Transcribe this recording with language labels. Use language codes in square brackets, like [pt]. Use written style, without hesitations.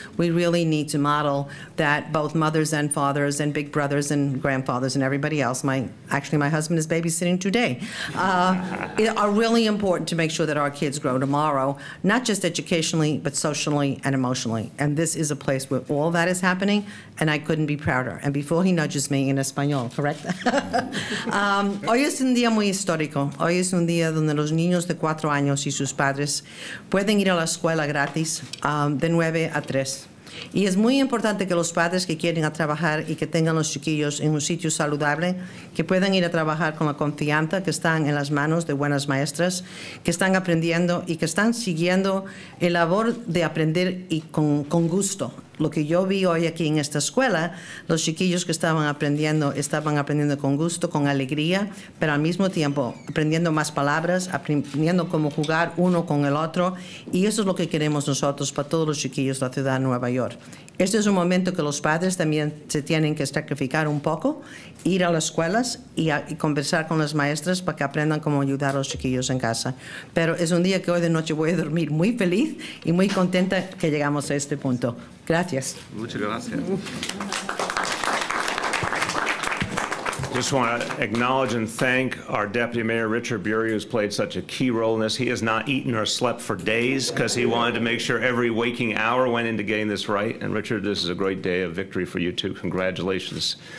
[en] We really need to model that both mothers and fathers and big brothers and grandfathers and everybody else, my husband is babysitting today, are really important to make sure that our kids grow tomorrow, not just educationally, but socially and emotionally. And this is a place where all that is happening, and I couldn't be prouder. And before he nudges me in Espanol, correct? [es] hoy es un día muy histórico. Hoy es un día donde los niños de 4 años y sus padres pueden ir a la escuela gratis de 9 a 3. Y es muy importante que los padres que quieren a trabajar y que tengan los chiquillos en un sitio saludable, que puedan ir a trabajar con la confianza que están en las manos de buenas maestras, que están aprendiendo y que están siguiendo el labor de aprender y con gusto. Lo que yo vi hoy aquí en esta escuela, los chiquillos que estaban aprendiendo con gusto, con alegría, pero al mismo tiempo aprendiendo más palabras, aprendiendo cómo jugar uno con el otro, y eso es lo que queremos nosotros para todos los chiquillos de la ciudad de Nueva York. Este es un momento que los padres también se tienen que sacrificar un poco, ir a las escuelas y conversar con las maestras para que aprendan cómo ayudar a los chiquillos en casa. Pero es un día que hoy de noche voy a dormir muy feliz y muy contenta que llegamos a este punto. Gracias. Muchas gracias. [en] Just want to acknowledge and thank our Deputy Mayor Richard Bury, who's played such a key role in this. He has not eaten or slept for days because he wanted to make sure every waking hour went into getting this right. And Richard, this is a great day of victory for you too. Congratulations.